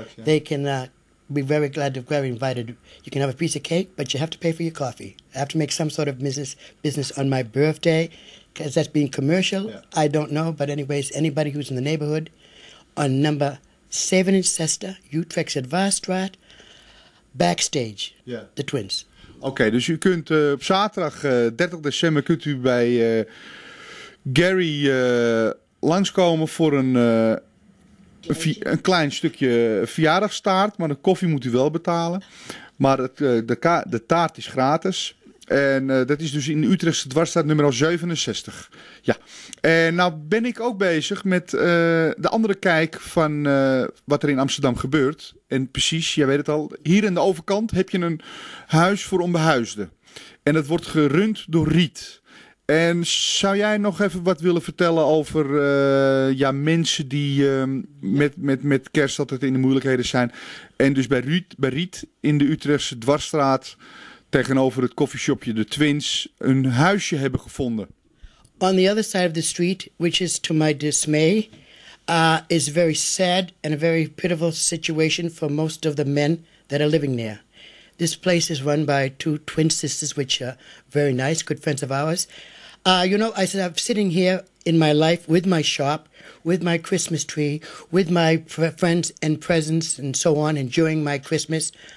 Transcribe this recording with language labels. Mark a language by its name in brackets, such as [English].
[English] they can be very glad to be very invited. You can have a piece of cake, but you have to pay for your coffee. I have to make some sort of business on my birthday, because that's being commercial. Yeah. I don't know, but anyways, anybody who's in the neighborhood, on number 7 in Sester, Utrecht's Advarstraat, backstage, the twins. [Dutch] Okay, dus u kunt op zaterdag 30 december kunt u bij Gary langskomen voor een klein stukje verjaardagstaart. Maar de koffie moet u wel betalen. Maar de taart is gratis. En dat is dus in Utrechtse Dwarsstraat nummer 67. Ja. En nou ben ik ook bezig met de andere kijk van wat er in Amsterdam gebeurt. En precies, jij weet het al, hier aan de overkant heb je een huis voor onbehuisden. En dat wordt gerund door Riet. En zou jij nog even wat willen vertellen over mensen die met kerst altijd in de moeilijkheden zijn. En dus bij Riet in de Utrechtse Dwarsstraat tegenover het koffieshopje The Twins een huisje hebben gevonden. [English] On the other side of the street, which is to my dismay, is very sad and a very pitiful situation for most of the men that are living there. This place is run by two twin sisters, which are very nice, good friends of ours. I said I'm sitting here in my life with my shop, with my Christmas tree, with my friends and presents and so on, enjoying my Christmas.